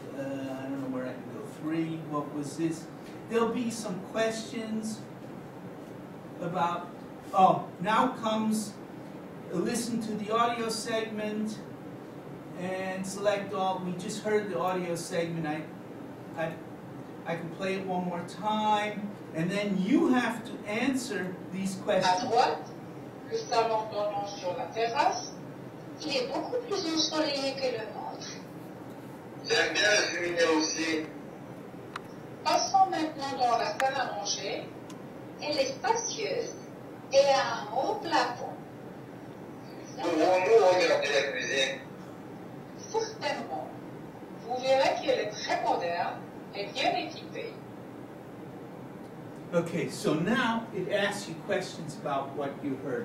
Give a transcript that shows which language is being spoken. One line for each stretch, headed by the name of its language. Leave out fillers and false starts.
English: I don't know where I can go. Three, what was this? There'll be some questions about, oh, now comes listen to the audio segment. And select all, we just heard the audio segment, I can play it one more time, and then you have to answer these questions.
French: À droite, le salon donnant sur la terrasse, il est beaucoup plus ensoleillé que le nôtre. J'aime bien la cheminée aussi. Passons maintenant dans la salle à manger, elle est spacieuse et a un haut plafond. Pouvons-nous regarder la cuisine? Certainement. Vous verrez qu'elle est très moderne et bien équipée.
English: Okay, so now it asks you questions about what you heard.